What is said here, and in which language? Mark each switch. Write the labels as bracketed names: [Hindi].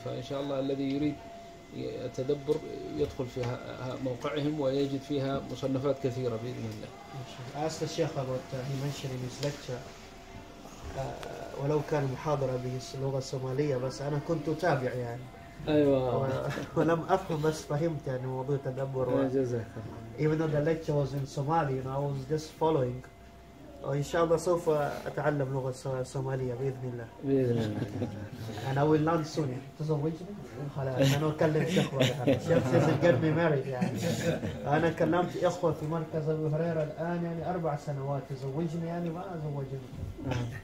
[Arabic] فإن شاء الله الذي يريد التدبر يدخل في موقعهم ويجد فيها مصنفات كثيرة بإذن الله. أسأل الشيخ [English] about he mentioned in his lecture [Arabic] ولو كان محاضرة باللغة الصومالية بس أنا كنت أتابع يعني. أيوة. ولم أفهم بس فهمت يعني موضوع التدبر. جزاك. [English] Even though the lecture was in Somali, you know, I was just following. [Arabic] إن شاء الله سوف أتعلم لغة الصومالية بإذن الله. بإذن الله. [English] And I will learn soon. [Arabic] تزوجني؟ خلاص أنا أكلم إخوة. [English] الشيخ says it get me married يعني. [Arabic] أنا كلمت إخوة في مركز أبو هريرة الآن يعني 4 سنوات، تزوجني يعني ما زوجني.